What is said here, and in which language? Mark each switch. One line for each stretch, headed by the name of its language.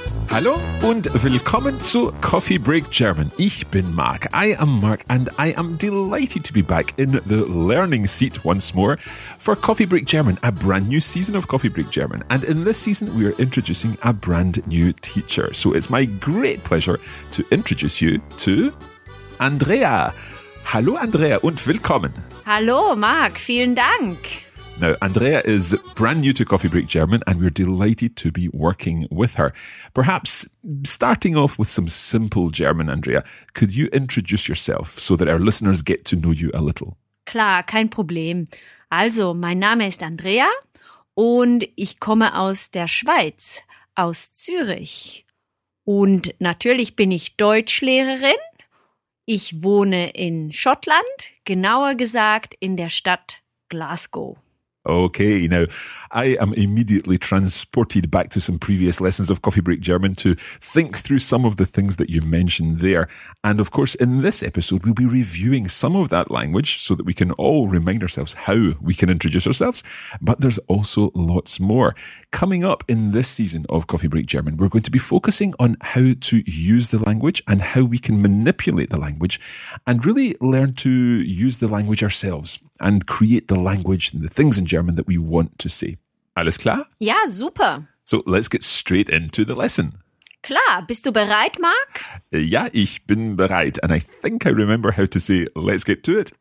German: Hallo und willkommen zu Coffee Break German. Ich bin Mark.
English: I am Mark and I am delighted to be back in the learning seat once more for Coffee Break German, a brand new season of Coffee Break German. And in this season, we are introducing a brand new teacher. So it's my great pleasure to introduce you to Andrea.
German: Hallo Andrea und willkommen. Hallo Mark, vielen Dank.
English: Now, Andrea is brand new to Coffee Break German, and we're delighted to be working with her. Perhaps starting off with some simple German, Andrea, could you introduce yourself so that our listeners get to know you a little?
German: Klar, kein Problem. Also, mein Name ist Andrea und ich komme aus der Schweiz, aus Zürich. Und natürlich bin ich Deutschlehrerin. Ich wohne in Schottland, genauer gesagt in der Stadt Glasgow.
English: Okay, now I am immediately transported back to some previous lessons of Coffee Break German to think through some of the things that you mentioned there. And of course, in this episode, we'll be reviewing some of that language so that we can all remind ourselves how we can introduce ourselves. But there's also lots more. Coming up in this season of Coffee Break German, we're going to be focusing on how to use the language and how we can manipulate the language and really learn to use the language ourselves and create the language and the things in German that we want to see.
German: Alles klar? Ja, super.
English: So let's get straight into the lesson.
German: Klar, bist du bereit, Mark? Ja, ich bin bereit.
English: And I think I remember how to say let's get to it.